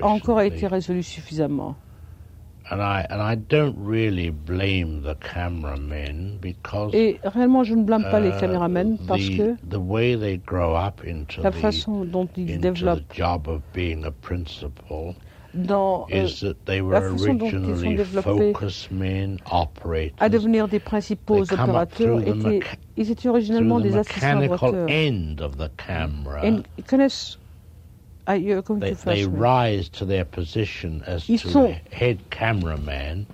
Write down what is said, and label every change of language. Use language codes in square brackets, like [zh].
[fr] encore a été résolu suffisamment. [en] And I don't really blame the cameramen because [fr] et réellement je ne blâme pas les caméramen parce que [en] the way they grow up into [fr] la façon dont ils développent [en] the job of being a principal [fr] dans, [en] is that they were originally focus men operators [fr] à devenir des principaux [en] they [fr] opérateurs [en] come up through [fr] étaient, [en] the [fr] mecha- ils étaient originellement [en] through [fr] des assistants [en] the mechanical end of the camera [fr] et ils connaissent [en] They rise to their position as head cameraman.